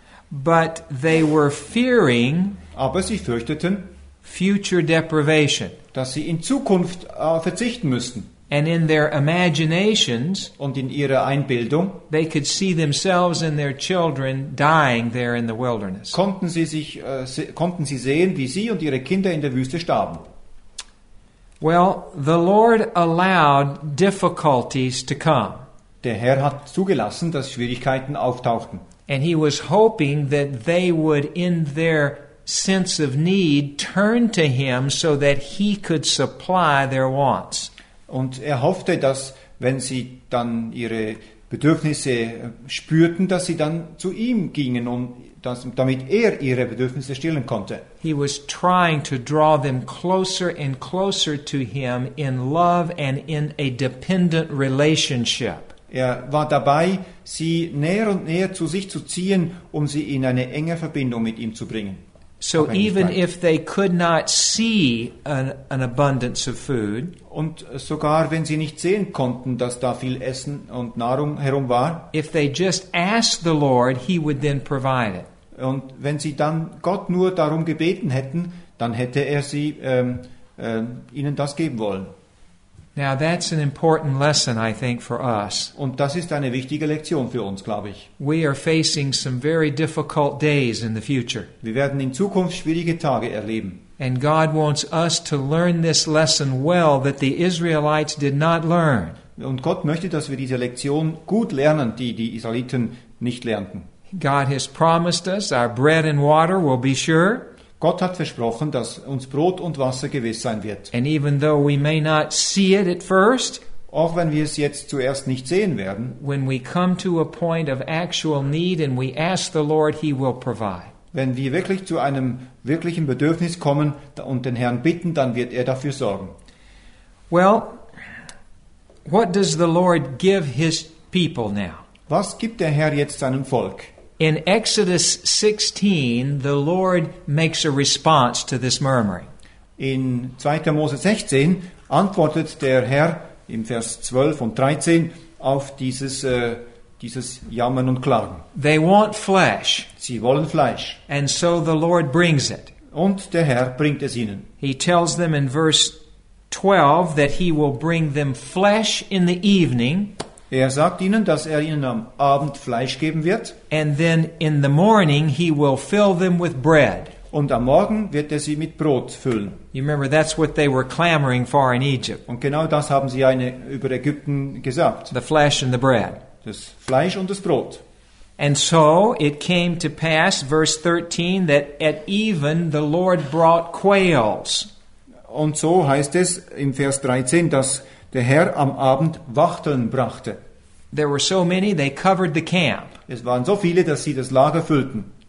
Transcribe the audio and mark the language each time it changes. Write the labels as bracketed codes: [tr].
[en] but they were fearing, [de] aber sie fürchteten [en] future deprivation, [de] dass sie in Zukunft verzichten müssten. [en] And in their imaginations, [de] und in ihrer Einbildung, [en] they could see themselves and their children dying there in the wilderness. [de] Konnten sie sehen, wie sie und ihre Kinder in der Wüste starben? [en] Well, the Lord allowed difficulties to come. [de] Der Herr hat zugelassen, dass Schwierigkeiten auftauchten. [en] And he was hoping that they would, in their sense of need, turn to him so that he could supply their wants. [de] Und er hoffte, dass, wenn sie dann ihre Bedürfnisse spürten, dass sie dann zu ihm gingen, damit er ihre Bedürfnisse stillen konnte. [en] He was trying to draw them closer and closer to him in love and in a dependent relationship. [de] Er war dabei, sie näher und näher zu sich zu ziehen, um sie in eine enge Verbindung mit ihm zu bringen. [en] So even if they could not see an abundance of food, [de] und sogar wenn sie nicht sehen konnten, dass da viel Essen und Nahrung herum war, [en] if they just asked the Lord, he would then provide it. [de] Und wenn sie dann Gott nur darum gebeten hätten, dann hätte er sie ihnen das geben wollen. [en] Now that's an important lesson, I think, for us. [de] Und das ist eine wichtige Lektion für uns, glaube ich. [en] We are facing some very difficult days in the future. [de] Wir werden in Zukunft schwierige Tage erleben. [en] And God wants us to learn this lesson well that the Israelites did not learn. [de] Und Gott möchte, dass wir diese Lektion gut lernen, die die Israeliten nicht lernten. [en] God has promised us our bread and water will be sure. [de] Gott hat versprochen, dass uns Brot und Wasser gewiss sein wird. [en] And even though we may not see it at first, [de] auch wenn wir es jetzt zuerst nicht sehen werden, [en] when we come to a point of actual need and we ask the Lord, he will provide. [de] Wenn wir wirklich zu einem wirklichen Bedürfnis kommen und den Herrn bitten, dann wird er dafür sorgen. [en] Well, what does the Lord give his people now? [de] Was gibt der Herr jetzt seinem Volk? [en] In Exodus 16, the Lord makes a response to this murmuring. [de] In 2. Mose 16 antwortet der Herr im Vers 12 und 13 auf dieses Jammern und Klagen. [en] They want flesh. [de] Sie wollen Fleisch. [en] And so the Lord brings it. [de] Und der Herr bringt es ihnen. [en] He tells them in verse 12 that he will bring them flesh in the evening. [de] Er sagt ihnen, dass er ihnen am Abend Fleisch geben wird. [en] And then in the morning he will fill them with bread. [de] Und am Morgen wird er sie mit Brot füllen. [en] You remember, that's what they were clamoring for in Egypt. [de] Und genau das haben sie ja über Ägypten gesagt. [en] The flesh and the bread. [de] Das Fleisch und das Brot. [en] And so it came to pass, verse 13, that at even the Lord brought quails. [de] Und so heißt es im Vers 13, dass der Herr am Abend Wachteln brachte. [en] There were so many, they covered the camp. [de] Es waren so viele, dass sie das Lager füllten.